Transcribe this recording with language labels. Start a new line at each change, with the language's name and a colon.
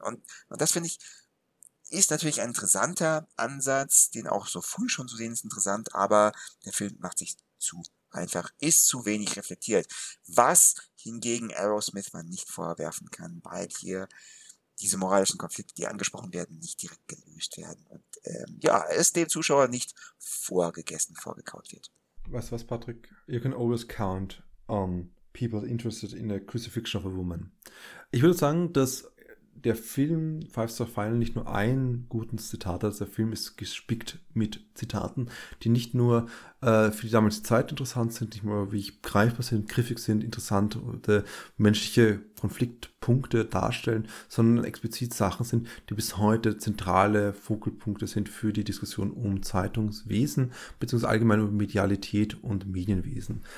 German: Und das finde ich, ist natürlich ein interessanter Ansatz, den auch so früh schon zu sehen ist interessant, aber der Film macht sich zu einfach, ist zu wenig reflektiert. Was hingegen Aerosmith man nicht vorwerfen kann, weil hier diese moralischen Konflikte, die angesprochen werden, nicht direkt gelöst werden. Und ja, es dem Zuschauer nicht vorgegessen, vorgekaut wird. Weißt du was, Patrick?
English: You can always count on people interested in a crucifixion of a woman.
German: Ich würde sagen, dass der Film Five Star Final nicht nur ein gutes Zitat hat, der Film ist gespickt mit Zitaten, die nicht nur für die damalige Zeit interessant sind, nicht nur wie greifbar sind, griffig sind, interessante menschliche Konfliktpunkte darstellen, sondern explizit Sachen sind, die bis heute zentrale Fokalpunkte sind für die Diskussion um Zeitungswesen, beziehungsweise allgemein um Medialität und Medienwesen.